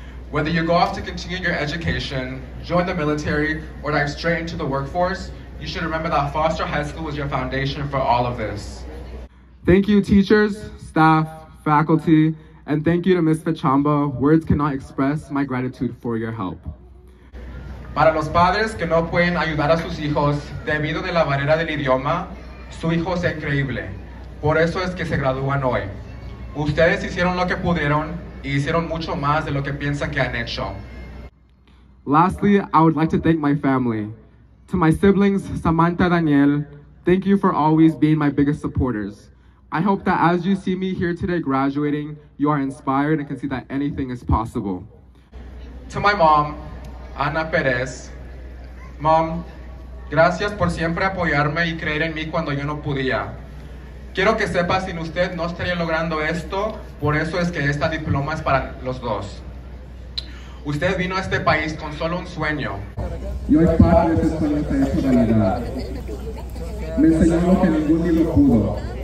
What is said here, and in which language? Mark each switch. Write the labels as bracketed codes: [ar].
[en] Whether you go off to continue your education, join the military, or dive straight into the workforce, you should remember that Foster High School was your foundation for all of this. Thank you, teachers, staff, faculty, and thank you to Ms. Fachamba. Words cannot express my gratitude for your help. [es] Para los padres que no pueden ayudar a sus hijos debido a la barrera del idioma, su hijo es increíble. Por eso es que se gradúan hoy. Ustedes hicieron lo que pudieron y hicieron mucho más de lo que piensan que han hecho. [en] Lastly, I would like to thank my family. To my siblings, Samantha, Daniel, thank you for always being my biggest supporters. I hope that as you see me here today graduating, you are inspired and can see that anything is possible. To my mom, [es] Ana Perez, Mom, gracias por siempre apoyarme y creer en mí cuando yo no podía. Quiero que sepa, sin usted no estaría logrando esto, por eso es que esta diploma es para los dos. Usted vino a este país con solo un sueño. Yo he pasado este sueño de la vida. Me enseñó lo que ningún niño pudo.